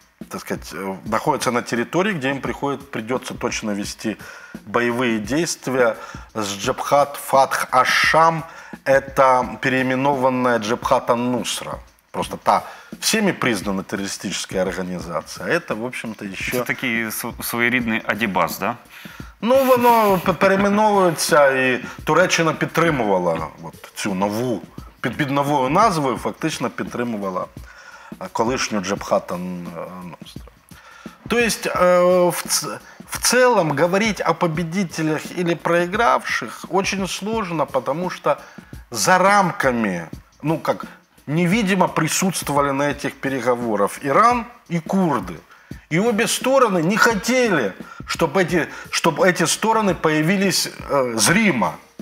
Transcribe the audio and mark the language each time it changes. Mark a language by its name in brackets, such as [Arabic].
[Russian] так сказать, находятся на территории, где им придется точно вести боевые действия с Джабхат Фатх Аш-Шам. Это переименованная Джабхат Ан-Нусра. Просто та всеми признана террористическая организация. Это, в общем-то, еще... Это такие своеридные Адибас, да? [Ukrainian] Ну, воно [Russian] переименовывается, и [Ukrainian] Туреччина підтримувала [Russian] вот [Ukrainian] цю нову, під новою назвою фактично підтримувала колишню Джабхат ан-Нусра. [Russian] То есть, в целом, говорить о победителях или проигравших очень сложно, потому что за рамками, ну, как, невидимо присутствовали на этих переговорах Иран и курды. И обе стороны не хотели, чтобы эти стороны появились зримо.